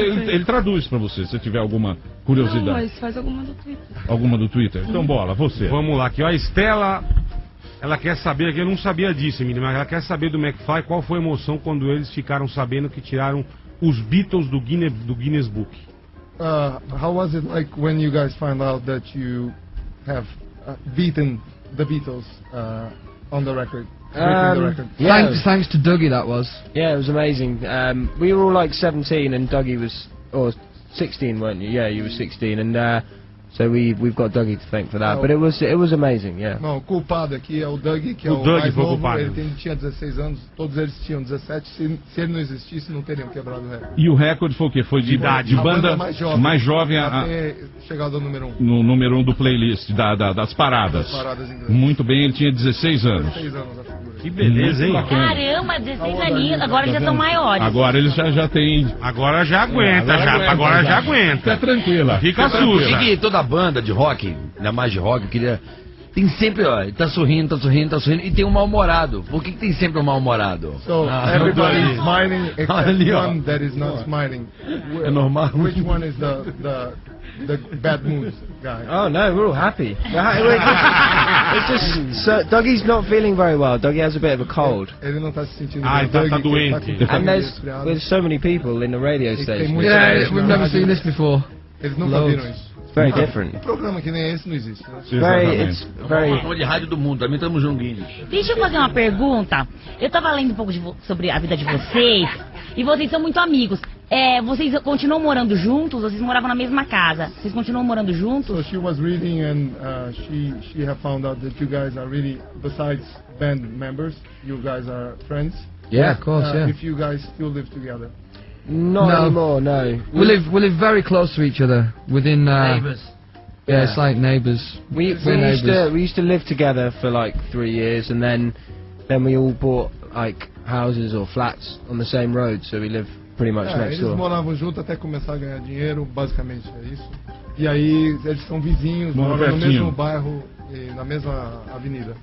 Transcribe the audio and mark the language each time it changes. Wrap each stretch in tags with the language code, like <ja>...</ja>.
<pt>Ele traduz pra você, se tiver alguma curiosidade. Não, mas faz alguma do Twitter. Alguma do Twitter? Então bola, você. Vamos lá, aqui ó, a Estela, ela quer saber, que eu não sabia disso, menina, mas ela quer saber do McFly qual foi a emoção quando eles ficaram sabendo que tiraram os Beatles do Guinness Book.</pt> <en>How was it like when you guys find out that you have beaten the Beatles? On the record, Thanks to Dougie, that was. Yeah, it was amazing. We were all like 17, and Dougie was, or 16, weren't you? Yeah, you were 16, and so we've got Dougie to thank for that. But it was amazing, yeah.</en> <pt>Não, culpado aqui é o Dougie, que é o mais novo. Ele tinha 16 anos, todos eles tinham 17. Se ele não existisse, não teriam quebrado o recorde. E o recorde foi o quê? Foi de idade, de banda mais jovem a chegado ao número 1. No número 1 do playlist, das paradas. Muito bem, ele tinha 16 anos. Que beleza, hein? Caramba, 16 aninhos, agora já estão maiores. Agora eles já têm... Agora já aguenta, já aguenta. Fica tranquila. Fica sujo. Da banda de rock, ainda mais de rock, queria. Tem sempre, ó, tá sorrindo, e tem um mal-humorado. Por que tem sempre um mal-humorado?</pt> <en>So, everybody is smiling except ali, one that is not smiling.</en> <pt>É normal.</pt> <en>Which one is the bad mood guy? Oh, no, we're all happy. It's just, so, Dougie's not feeling very well. Dougie has a bit of a cold.</en> <pt>Ele não tá se sentindo bem. Ah, então tá doente.</pt> <en>And there's so many people in the radio station. Yeah, we've never seen this before.</en> <pt>Eles nunca viram isso.</pt> <en>Very different.</en> <pt>Um programa que nem esse não existe. De rádio do mundo, também estamos junguinhos. Deixa eu fazer uma pergunta. Eu estava lendo um pouco sobre a vida de vocês, e vocês são muito amigos. É, vocês continuam morando juntos? Vocês moravam na mesma casa? Vocês continuam morando juntos?</pt> <en>So she was reading and she have found out that you guys are really, besides band members, you guys are friends. Yeah, of course, yeah. If you guys still live together. Not anymore, no. We live very close to each other within neighbors. Yeah, it's like neighbors. We used to live together for like 3 years, and then we all bought like houses or flats on the same road, so we live pretty much next door.</en> <pt>Eles moravam junto até começar a ganhar dinheiro, basicamente é isso. E aí eles são vizinhos, moram no mesmo bairro e na mesma avenida.</pt>